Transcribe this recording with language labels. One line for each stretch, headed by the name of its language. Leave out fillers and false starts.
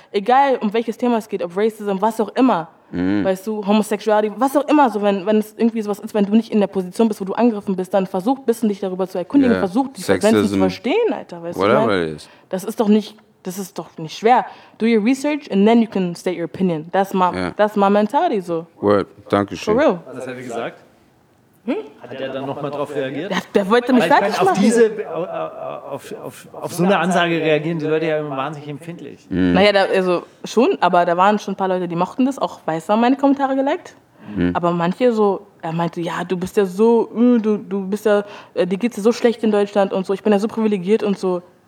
German: Egal, um welches Thema es geht, ob Racism, was auch immer, weißt du, Homosexuality, was auch immer, so, wenn es irgendwie sowas ist, wenn du nicht in der Position bist, wo du angegriffen bist, dann versuch ein bisschen dich darüber zu erkundigen, versuch die Frequenzen zu verstehen, Alter, weißt du,
English: whatever it is.
German: Das ist doch nicht schwer.
English: Do your research and then you can state your opinion. That's my mentality, so.
German: Word, danke schön.
English: For real.
German: Was hat er gesagt? Hat er dann nochmal drauf reagiert? Der wollte mich fertig machen. Auf so eine Ansage reagieren die Leute ja immer wahnsinnig empfindlich. Mhm. Naja, da, also schon, aber da waren schon ein paar Leute, die mochten das, auch weißer meine Kommentare geliked. Aber manche so, er meinte, ja, du bist ja so, du bist ja, dir geht's ja so schlecht in Deutschland und so, ich bin ja so privilegiert und so.